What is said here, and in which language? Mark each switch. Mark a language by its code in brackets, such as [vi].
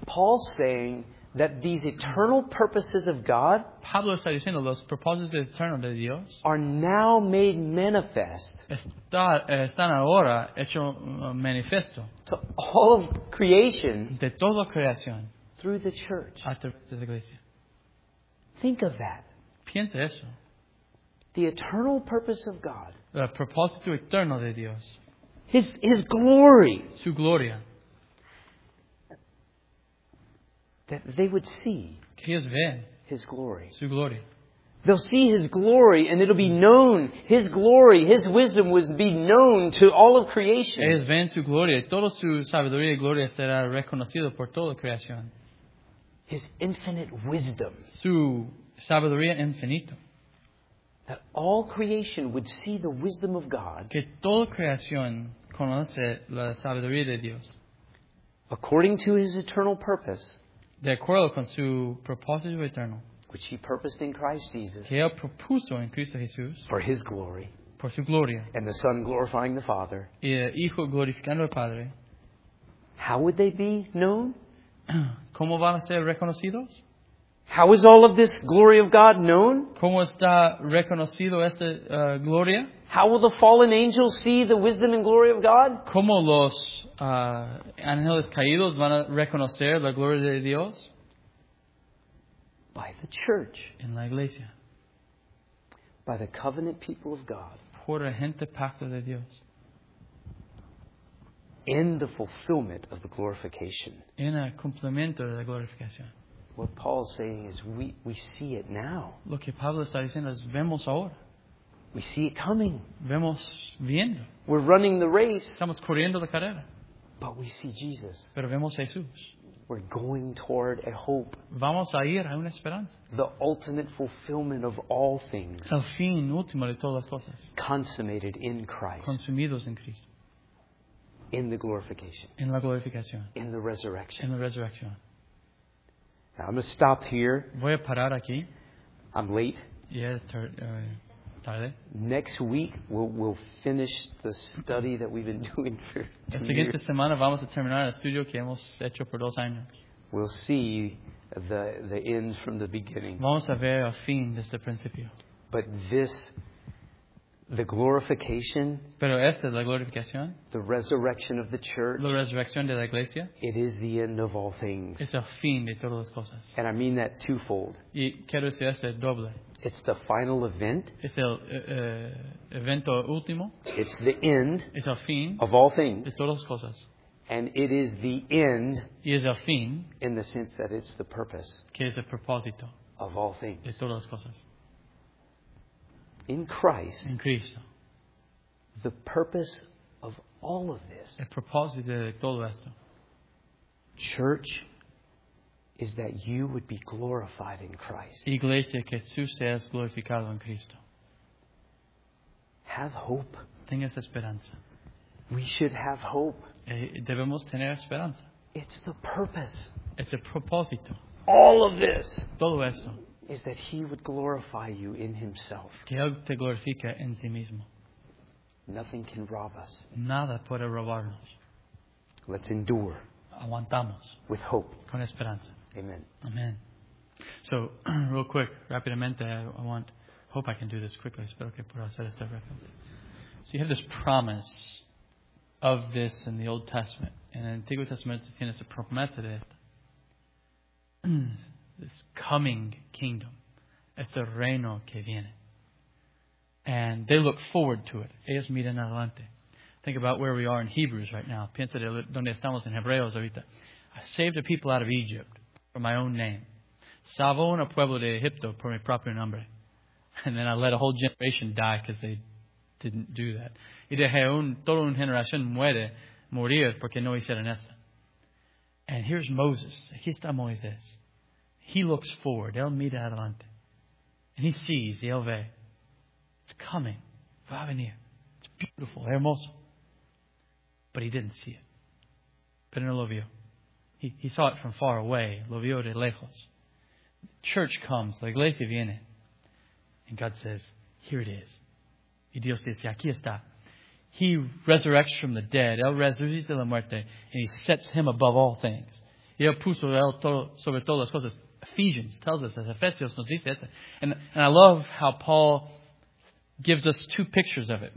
[en] Paul saying that these eternal purposes of God, [es] Pablo está diciendo, los propósitos eternos de Dios, [en] are now made manifest, [es] están ahora hecho manifiesto, [en] to all of creation, [es] de toda creación, [en] through the church, [es] a través de la iglesia. [en] Think of that. [es] Piensa eso. [en] The eternal purpose of God, [es] el propósito eterno de Dios, [en] His glory, [es] su gloria, [en] that they would see His glory. [es] Su gloria. [en] They'll see His glory and it'll be known. His glory, His wisdom would be known to all of creation. [es] Ellos ven su gloria. Toda su sabiduría y gloria será reconocida por toda creación. [en] His infinite wisdom. [es] Su sabiduría infinita. [en] That all creation would see the wisdom of God. [es] Que toda creación conoce la sabiduría de Dios. [en] According to his eternal purpose. [es] De acuerdo con su propósito eterno. [en] Which he purposed in Christ Jesus. [es] Que él propuso en Cristo Jesús. [en] For his glory. [es] Por su gloria. [en] And the Son glorifying the Father. [es] Y el Hijo glorificando al Padre. [en] How would they be known? [es] ¿Cómo van a ser reconocidos? [en] How is all of this glory of God known? [es] ¿Cómo está reconocido esta gloria? [en] How will the fallen angels see the wisdom and glory of God? [es] ¿Cómo los ángeles caídos van a reconocer la gloria de Dios? [en] By the church. [es] En la iglesia. [en] By the covenant people of God. [es] Por la gente pacto de Dios. [en] In the fulfillment of the glorification. [es] En el cumplimiento de la glorificación. [en] What Paul is saying is we see it now. [es] Lo que Pablo está diciendo es vemos ahora. [en] We see it coming. [es] Vemos viendo. [en] We're running the race. [es] Estamos corriendo la carrera. [en] But we see Jesus. [es] Pero vemos Jesús. [en] We're going toward a hope. [es] Vamos a ir a una esperanza. [en] The ultimate fulfillment of all things. [es] El fin último de todas las cosas. [en] Consummated in Christ. [es] Consumidos en Cristo. [en] In the glorification. [es] En la glorificación. [en] In the resurrection. [es] En la resurrección. [en] Now, I'm going to stop here. [es] Voy a parar aquí. [en] I'm late. [es] Yeah, tarde. [en] Next week, we'll finish the study that we've been doing for 2 years. [es] La siguiente semana vamos a terminar el estudio que hemos hecho por 2 años. [en] We'll see the end from the beginning. [es] Vamos a ver el fin desde el principio. [en] But this, the glorification. [es] Pero esta es la glorificación. [en] The resurrection of the church. [es] La resurrección de la iglesia. [en] It is the end of all things. [es] Es el fin de todas las cosas. [en] And I mean that twofold. [es] Y quiero decir esto doble. [en] It's the final event. [es] Es el evento último. [en] It's the end. [es] Es el fin. [en] Of all things. [es] De todas las cosas. [en] And it is the end. [es] Y es el fin. [en] In the sense that it's the purpose. [es] Que es el propósito. [en] Of all things. [es] De todas las cosas. [en] In Christ, [es] en Cristo, [en] the purpose of all of this, [es] el propósito de todo esto, [en] church, is that you would be glorified in Christ. [es] Iglesia, que tú seas glorificado en Cristo. [en] Have hope. [es] Tengas esperanza. [en] We should have hope. [es] Debemos tener esperanza. [en] It's the purpose. [es] Es el propósito. [en] All of this. [es] Todo esto. [en] Is that he would glorify you in himself. [es] Que él te glorifica en sí mismo. [en] Nothing can rob us. [es] Nada puede robarnos. [en] Let's endure. [es] Aguantamos. [en] With hope. [es] Con esperanza. [en] Amen. Amen. So, real quick, rapidamente, hope I can do this quickly. [es] Espero que pueda hacer esto rápido. [en] So you have this promise of this in the Old Testament. In the [es] Antiguo Testament, tienes la promesa de esto. [en] This coming kingdom. [es] Este reino que viene. [en] And they look forward to it. [es] Ellos miran adelante. [en] Think about where we are in Hebrews right now. [es] Piensa de donde estamos en Hebreos ahorita. [en] I saved a people out of Egypt for my own name. [es] Salvo un pueblo de Egipto por mi propio nombre. [en] And then I let a whole generation die because they didn't do that. [es] Y dejé toda una generación muere morir porque no hicieron eso. [en] And here's Moses. [es] Aquí está Moisés. [en] He looks forward. [es] Él mira adelante. [en] And he sees. [es] Él ve. [en] It's coming. [es] Va a venir. [en] It's beautiful. [es] Hermoso. [en] But he didn't see it. [es] Pero no lo vio. [en] He saw it from far away. [es] Lo vio de lejos. [en] Church comes. [es] La iglesia viene. [en] And God says, here it is. [es] Y Dios dice, aquí está. [en] He resurrects from the dead. [es] Él resucita la muerte. [en] And he sets him above all things. [es] Y él puso él sobre todas las cosas. [en] Ephesians tells us, as Ephesians [es] nos dice eso. [en] And I love how Paul gives us two pictures of it.